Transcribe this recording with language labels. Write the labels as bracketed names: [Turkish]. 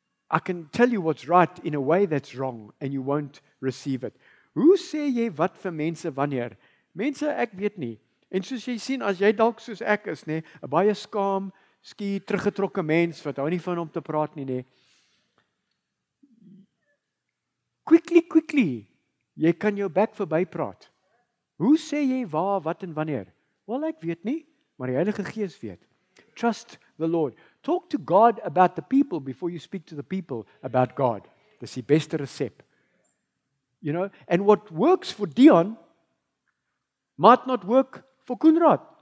[English] I can tell you what's right in a way that's wrong, and you won't receive it. [Afrikaans] Hoe sê jy wat vir mense wanneer? Mense, ek weet nie. En soos jy sien, as jy dalk soos ek is, nee, 'n baie skaam, skie, teruggetrokke mens, wat hou nie van om te praat nie, nee. [English] Quickly, [Afrikaans] jy kan jou bek verby praat. Hoe sê jy waar, wat en wanneer? Wel, ek weet nie, maar die Heilige Gees weet. [English] Trust the Lord. Talk to God about the people before you speak to the people about God. [Afrikaans] Dis die beste resep. [English] You know, and what works for Dion might not work for Koenraad.